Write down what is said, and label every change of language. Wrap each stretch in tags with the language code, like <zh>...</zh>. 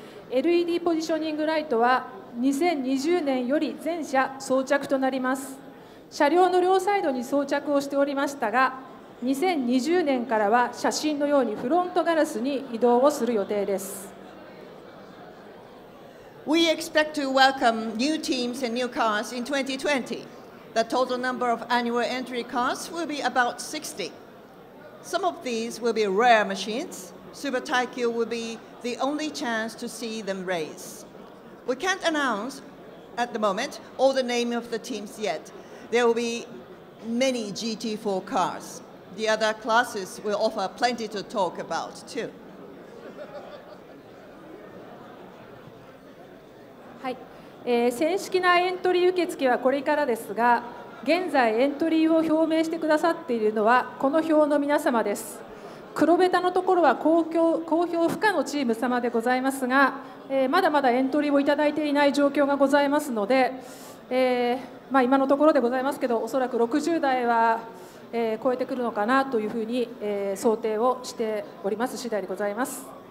<ja>LED ポジショニングライトは2020年より全車装着となります。車両の両サイドに装着をしておりましたが、2020年からは写真のようにフロントガラスに移動をする予定です。</ja> <en>We expect to welcome new teams and new cars in 2020. The total number of annual entry cars will be about 60. Some of these will be rare machines. Super Taikyo will be the only chance to see them race. We can't announce at the moment all the names of the teams yet. There will be many GT4 cars. The other classes will offer plenty to talk about too.</en> <ja>正式なエントリー受付はこれからですが、現在エントリーを表明してくださっているのはこの表の皆様です。黒べたのところは公表不可のチーム様でございますが、まだまだエントリーをいただいていない状況がございますので、まあ、今のところでございますけど、おそらく60台は、超えてくるのかなというふうに、想定をしております次第でございます。</ja>